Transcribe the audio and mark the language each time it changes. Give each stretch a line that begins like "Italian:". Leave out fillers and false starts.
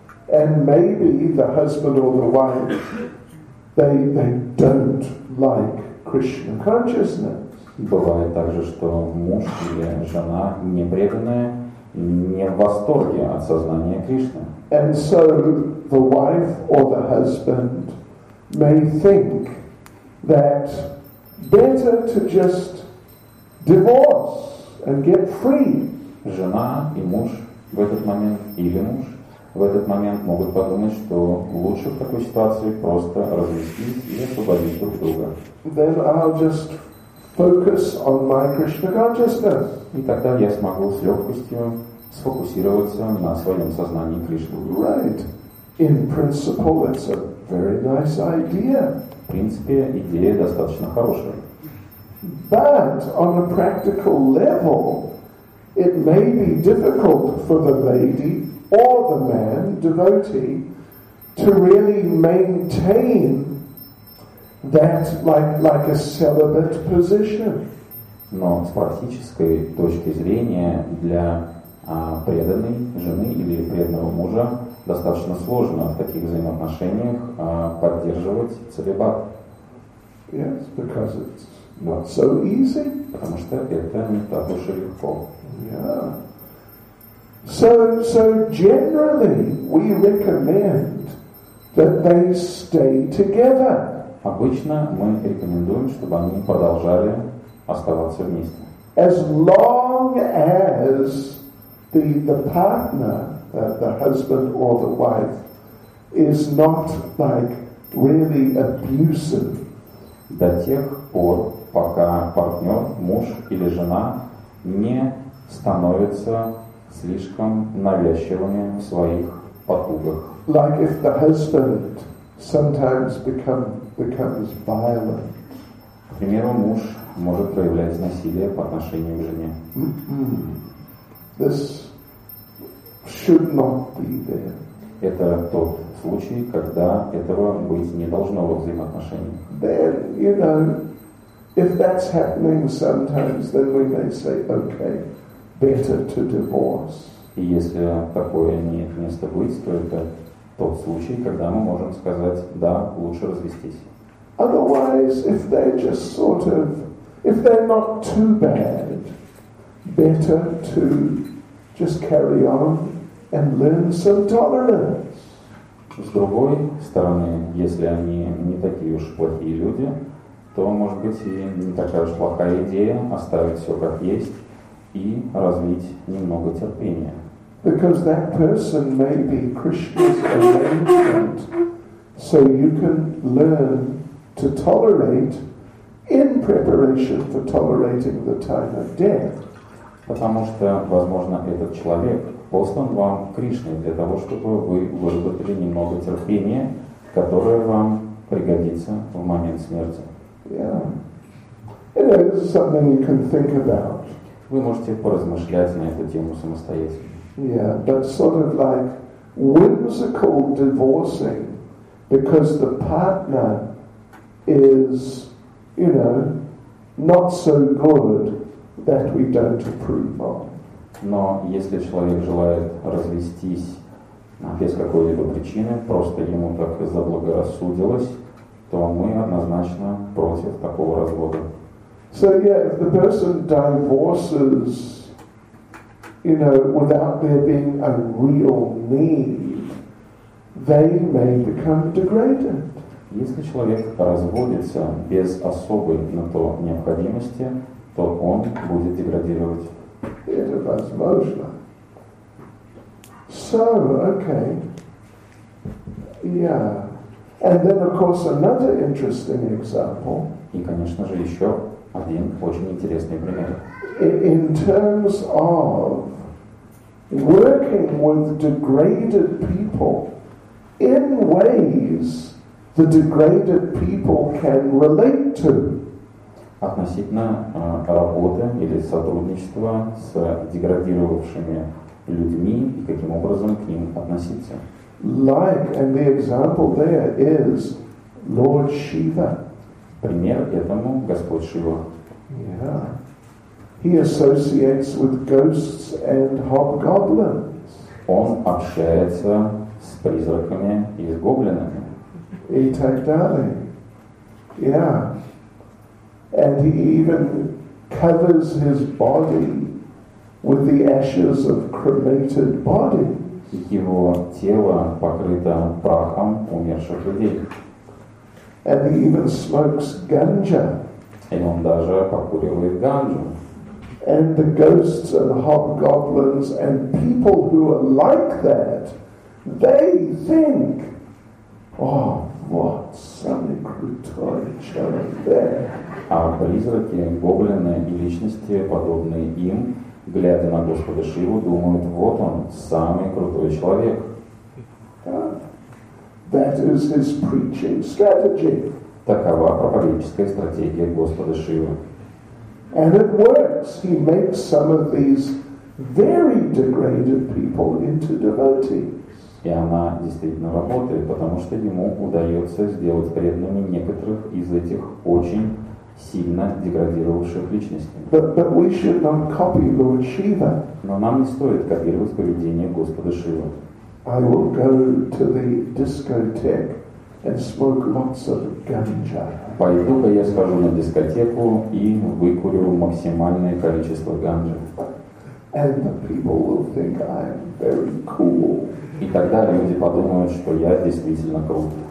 English: And maybe the husband or the wife, they don't like Krishna consciousness.
Russian: Бывает также, что муж или жена не преданная, не в восторге от сознания Кришны.
English: And so the wife or the husband may think that better to just divorce and get free.
Russian: Жена и муж в этот момент, или муж в этот момент могут подумать, что лучше в такой ситуации просто развестись и освободить друг друга.
English: Then I'll just focus on my Krishna consciousness.
Russian: И тогда я смогу с легкостью сфокусироваться на своем сознании Кришны.
English: Right. In principle, it's a very nice idea.
Russian: В принципе, идея достаточно хорошая.
English: But on a practical level, it may be difficult for the lady or the man, devotee, to really maintain that like a celibate position.
Russian: Но с практической точки зрения для преданной жены или преданного мужа достаточно сложно в таких взаимоотношениях поддерживать целибат.
English: Yes, because it's not so easy.
Russian: Потому что это не так уж и легко.
English: So generally we recommend that they stay together.
Russian: Обычно мы рекомендуем, чтобы они продолжали оставаться вместе.
English: As long as the partner, the husband or the wife, is not like really abusive.
Russian: До тех пор, пока партнер, муж или жена не становится слишком навязчивыми в своих потугах.
English: Like if the husband sometimes becomes violent.
Russian: К примеру, муж может проявлять насилие по отношению к жене.
English: This should not be there.
Russian: Это тот случай, когда этого быть не должно во взаимоотношениях.
English: Then, you know, if that's happening sometimes, then we may say, okay, better to divorce.
Russian: И если такое имеет место быть, то это тот случай, когда мы можем сказать, да, лучше развестись.
English: Otherwise, if they're just sort of, if they're not too bad, better to just carry on and learn some tolerance.
Russian: С другой стороны, если они не такие уж плохие люди, то, может быть, и не такая уж плохая идея оставить все как есть и развить немного терпения.
English: Because that person may be Krishna's arrangement, so you can learn to tolerate in preparation for tolerating the time of death.
Russian: Потому что, возможно, этот человек послан вам Кришной для того, чтобы вы выработали немного терпения, которое вам пригодится в момент смерти.
English: Yeah. It is something you can think about.
Russian: Вы можете поразмышлять на эту тему самостоятельно.
English: Yeah, but sort of like whimsical divorcing, because the partner is, you know, not so good that we don't approve of.
Russian: Но если человек желает развестись без какой-либо причины, просто ему так заблагорассудилось, то мы однозначно против такого развода.
English: So yeah, if the person divorces, you know, without there being a real need, they may become degraded.
Russian: Если человек разводится без особой на то необходимости, то он будет деградировать. Это возможно.
English: So, okay. Yeah. And then, of course, another interesting example.
Russian: И, конечно же, еще один очень интересный пример.
English: In terms of working with degraded people in ways the degraded people can relate to.
Russian: относительно работы или сотрудничества с деградировавшими людьми и каким образом к ним относиться.
English: Like, and the example there is Lord Shiva.
Russian: Пример этому Господь Шива.
English: Yeah. He associates with ghosts and hobgoblins.
Russian: Он общается с призраками и с гоблинами. И так далее. Yeah.
English: And he even covers his body with the ashes of cremated bodies.
Russian: Его тело покрыто прахом умерших людей.
English: And he even smokes ganja.
Russian: И он даже покуривает ганджу.
English: And the ghosts and hobgoblins and people who are like that, they think, oh, what some
Russian: крутой человек
English: there.
Russian: А призраки, гоблины и личности, подобные им, глядя на Господа Шиву, думают, вот он, самый крутой человек.
English: That is his preaching strategy.
Russian: Такова проповедническая стратегия Господа Шивы.
English: And it works. He makes some of these very degraded people into devotees.
Russian: И она действительно работает, потому что ему удается сделать преданными некоторых из этих очень сильно деградировавших личностей.
English: But we should not copy Lord Shiva.
Russian: Но нам не стоит копировать поведение Господа Шивы.
English: I will go to the discotheque and smoke lots of ganja.
Russian: Пойду-ка я схожу на дискотеку и выкурю максимальное количество ганджи.
English: And the people will think I'm very cool.
Russian: И тогда люди подумают, что я действительно крут.